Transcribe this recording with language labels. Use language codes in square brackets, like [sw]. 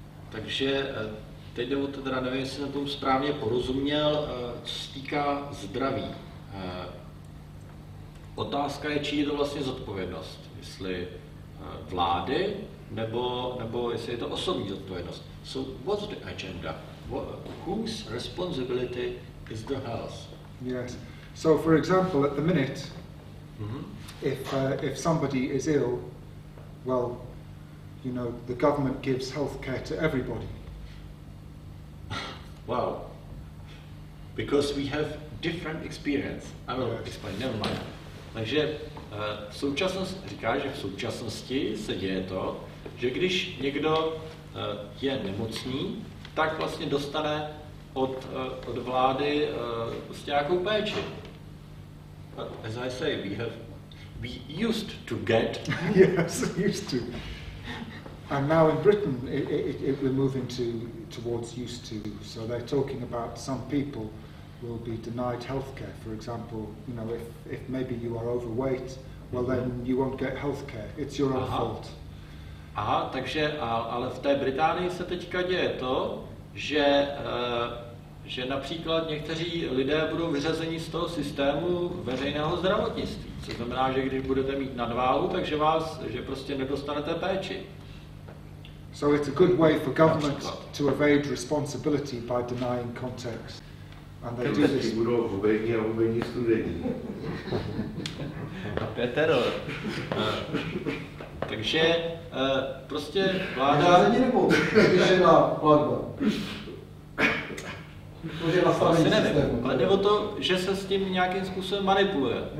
[cs] Takže teď jde o to, teda nevím, jestli jsem tomu správně porozuměl, co se týká zdraví. Otázka je, čí je to vlastně zodpovědnost. Jestli vlády, nebo jestli je to osobní zodpovědnost. [en] So, what's the agenda? Whose responsibility is the health? Yes. So, for example, at the minute, if somebody is ill, well, you know, the government gives health care to everybody. Well, because we have different experience. I will explain, never mind. [cs] Takže současnost říká, že v současnosti se děje to, že když někdo je nemocný, tak vlastně dostane od vlády prostě nějakou péči. [en] But as I say, we used to get. Yes, used to. And now in Britain, it we're moving towards used to. So they're talking about some people will be denied healthcare. For example, you know, if maybe you are overweight, well then you won't get healthcare. It's your own fault. [cs] Aha, takže, ale v té Británii se teďka děje to, že například někteří lidé budou vyřazeni z toho systému veřejného zdravotnictví. Což znamená, že když budete mít nadváhu, takže že prostě nedostanete péči. [en] So it's a good way for government to evade responsibility by denying context. And they do this. [cs] Budou hubení a hubení studení. A Petero. Takže prostě vláda... Vyřazení nebo vyřešená platba? Asi nevím, ale jde o to, že se s tím nějakým způsobem manipuluje.